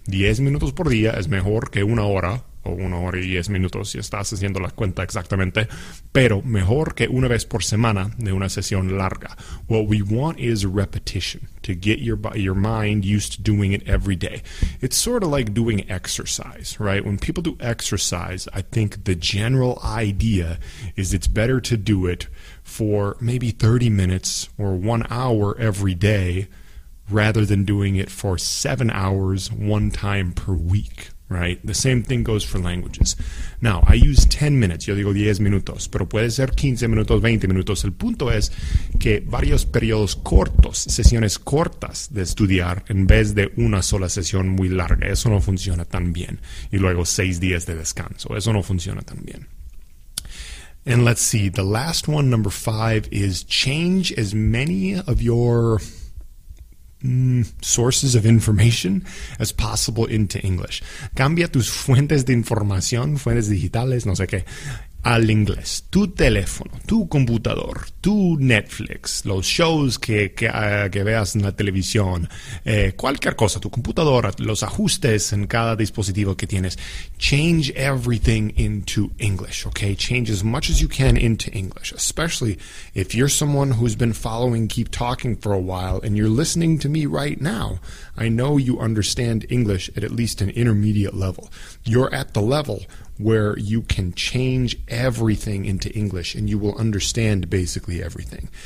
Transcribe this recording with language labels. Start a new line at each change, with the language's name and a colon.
Spanish: 10 minutos por día es mejor que una hora, o una hora y 10 minutos si estás haciendo la cuenta exactamente, pero mejor que una vez por semana de una sesión larga.
English: What we want is repetition, to get your mind used to doing it every day. It's sort of like doing exercise, right? When people do exercise, I think the general idea is it's better to do it for maybe 30 minutes or 1 hour every day rather than doing it for 7 hours one time per week, right? The same thing goes for languages. Now, I use 10 minutes.
Spanish: Yo digo 10 minutos, pero puede ser 15 minutos, 20 minutos. El punto es que varios periodos cortos, sesiones cortas de estudiar en vez de una sola sesión muy larga. Eso no funciona tan bien. Y luego 6 días de descanso. Eso no funciona tan bien.
English: And let's see. The last one, number 5, is change as many of your sources of information as possible into English.
Spanish: Cambia tus fuentes de información, fuentes digitales, no sé qué, al inglés. Tu teléfono, tu computador, tu Netflix, los shows que veas en la televisión, cualquier cosa, tu computadora, los ajustes en cada dispositivo que tienes.
English: Change everything into English, okay? Change as much as you can into English, especially if you're someone who's been following Keep Talking for a while and you're listening to me right now. I know you understand English at least an intermediate level. You're at the level where you can change everything into English and you will understand basically everything.